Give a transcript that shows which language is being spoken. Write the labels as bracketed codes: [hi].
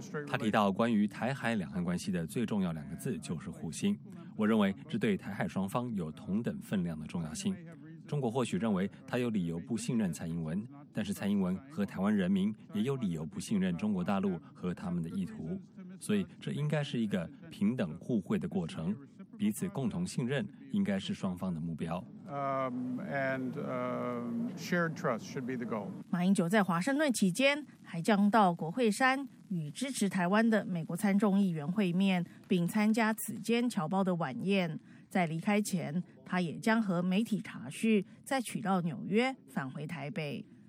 [zh] 他提到关于台海两岸关系的最重要两个字就是互信，我认为这对台海双方有同等分量的重要性。中国或许认为他有理由不信任蔡英文，但是蔡英文和台湾人民也有理由不信任中国大陆和他们的意图，所以这应该是一个平等互惠的过程，彼此共同信任应该是双方的目标。 [en] Shared trust should be the goal. [zh] 马英九在华盛顿期间还将到国会山与支持台湾的美国参众议员会面，并参加此间侨胞的晚宴。在离开前，他也将和媒体查叙，再取到纽约返回台北。